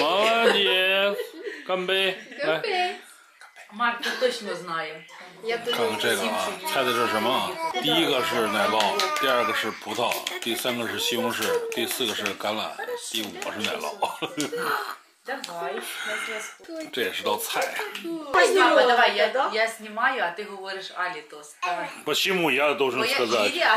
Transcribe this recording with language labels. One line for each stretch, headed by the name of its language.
Chinese: 马杰，干杯！干杯！干杯！马尔克，都是我知道。看看这个啊，猜的是什么？第一个是奶酪，第二个是葡萄，第三个是西红柿，第四个是橄榄，第五个是奶酪。
Ukrainian: Давай. Це ж до цей. Пойдемо, давай, я знімаю, а ти говориш Алітос. По чому я должен сказати?